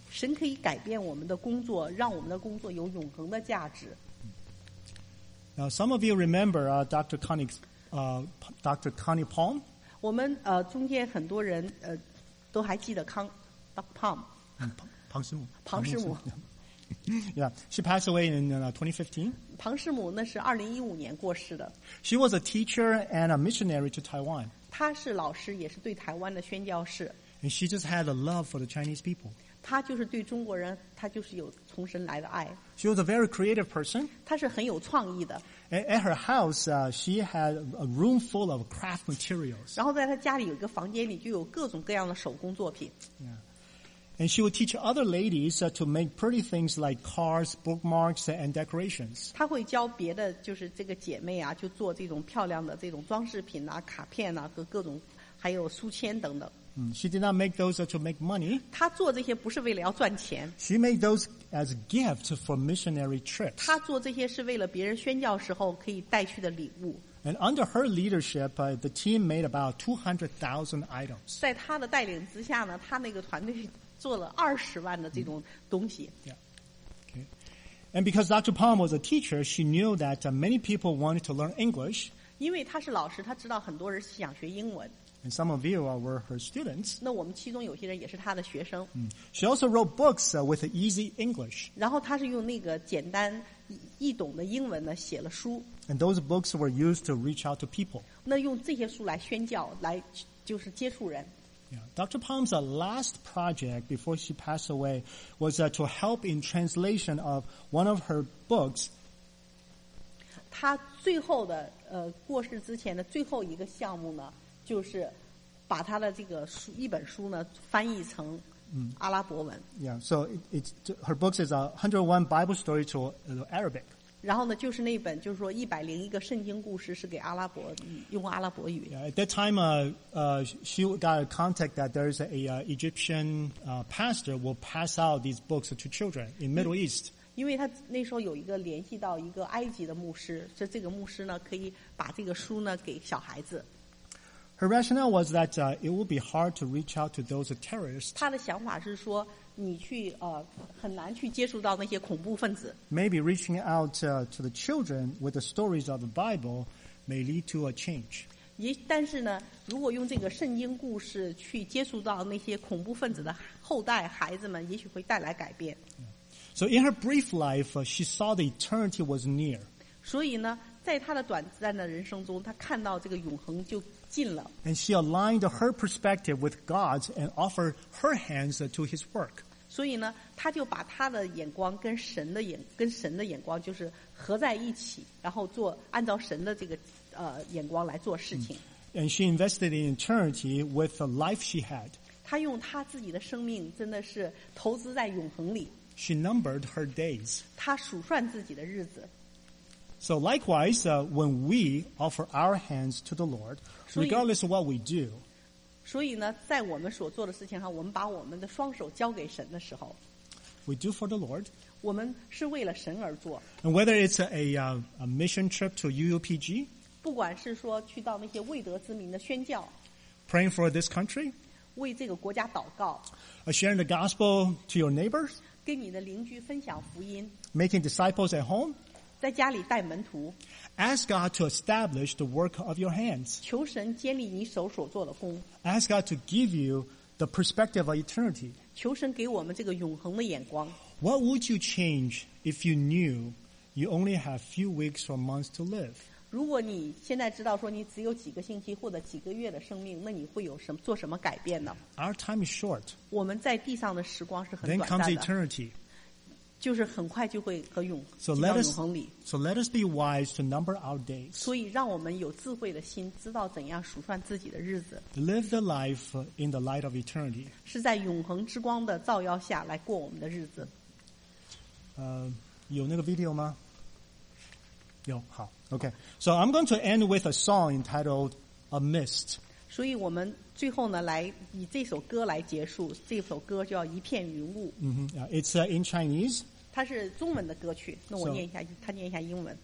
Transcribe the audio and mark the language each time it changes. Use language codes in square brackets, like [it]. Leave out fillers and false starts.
[zh] 神可以改变我们的工作，让我们的工作有永恒的价值。 [en] Now, some of you remember Dr. Connie Palm. [zh] 我们中间很多人都还记得康 Dr. [en] Palm. [zh] 嗯，庞师母。庞师母。 [en] Yeah, she passed away in 2015. [zh] 庞师母那是2015年过世的。 [en] She was a teacher and a missionary to Taiwan. [zh] 她是老师，也是对台湾的宣教士。 [en] And she just had a love for the Chinese people. [zh] 她就是对中国人，她就是有从神来的爱。 [en] She was a very creative person. [zh] 她是很有创意的。 [en] At her house, she had a room full of craft materials. [zh] 然后在她家里有一个房间里就有各种各样的手工作品。 [en] Yeah. And she would teach other ladies to make pretty things like cards, bookmarks, and decorations. [zh] 她会教别的就是这个姐妹啊，就做这种漂亮的这种装饰品啊，卡片啊，和各种还有书签等等。 [en] She did not make those to make money. [zh] 她做这些不是为了要赚钱。 [en] She made those as gifts for missionary trips. [zh] 她做这些是为了别人宣教时候可以带去的礼物。 [en] And under her leadership, the team made about 200,000 items. [zh] 在她的带领之下呢，她那个团队。做了200,000的这种东西。 [en] And because Dr. Palm was a teacher, she knew that many people wanted to learn English. [zh] 因为她是老师，她知道很多人想学英文。 [en] And some of you were her students. [zh] 那我们其中有些人也是她的学生。 [en] She also wrote books with easy English. [zh] 然后她是用那个简单易懂的英文呢写了书。 [en] And those books were used to reach out to people. [zh] 那用这些书来宣教，来就是接触人。 [en] Yeah. Dr. Palm's last project before she passed away was to help in translation of one of her books. [zh] 她最后的过世之前的最后一个项目呢，就是把她的这个书一本书呢翻译成阿拉伯文。 [en] Yeah. So her books is 101 Bible story to Arabic. [zh] 然后呢，就是那本就是说101个圣经故事是给阿拉伯用阿拉伯语。 [en] Yeah, at that time, she got a contact that there is a Egyptian pastor will pass out these books to children in Middle East. [zh] 因为他那时候有一个联系到一个埃及的牧师，所以这个牧师呢可以把这个书呢给小孩子。 [en] Her rationale was that it would be hard to reach out to those terrorists. [zh] 他的想法是说。你去很难去接触到那些恐怖分子。 [en] Maybe reaching out to the children with the stories of the Bible may lead to a change. [zh] 但是呢，如果用这个圣经故事去接触到那些恐怖分子的后代孩子们，也许会带来改变。 [en] So in her brief life, she saw the eternity was near. [zh] 所以呢，在她的短暂的人生中，她看到这个永恒就。 [en] And she aligned her perspective with God's and offered her hands to His work. [zh] 所以呢，她就把她的眼光跟神的眼跟神的眼光就是合在一起，然后做按照神的这个眼光来做事情。 [en] And she invested in eternity with the life she had. [zh] 她用她自己的生命真的是投资在永恒里。 [en] She numbered her days. [zh] 她数算自己的日子。 [en] So likewise, when we offer our hands to the Lord, regardless of what we do, [zh] 所以呢，在我们所做的事情上，我们把我们的双手交给神的时候， [en] we do for the Lord. [zh] 我们是为了神而做。 [en] And whether it's a mission trip to UUPG, [zh] 不管是说去到那些未得之民的宣教， [en] praying for this country, [zh] 为这个国家祷告， [en] sharing the gospel to your neighbors, [zh] 跟你的邻居分享福音， [en] making disciples at home. [zh] 在家里带门徒。 [en] Ask God to establish the work of your hands. [zh] 求神建立你手所做的工。 [en] Ask God to give you the perspective of eternity. [zh] 求神给我们这个永恒的眼光。 [en] What would you change if you knew you only have few weeks or months to live? [zh] 如果你现在知道说你只有几个星期或者几个月的生命，那你会有什么做什么改变呢 [en] ？Our time is short. [zh] 我们在地上的时光是很短暂的。 [en] Then comes eternity. [zh] 就是很快就会和永进到永恒里。 [en] So let us be wise to number our days. [zh] 所以让我们有智慧的心，知道怎样数算自己的日子。 [en] Live the life in the light of eternity. [zh] 是在永恒之光的照耀下来过我们的日子。有那个 video 吗？有，好 [en] ，OK. So I'm going to end with a song entitled "A Mist." [zh] 所以我们最后呢，来以这首歌来结束。这首歌叫《一片云雾》。 [en] It's in Chinese. [zh] 它是中文的歌曲。那我念一下，他念一下英文。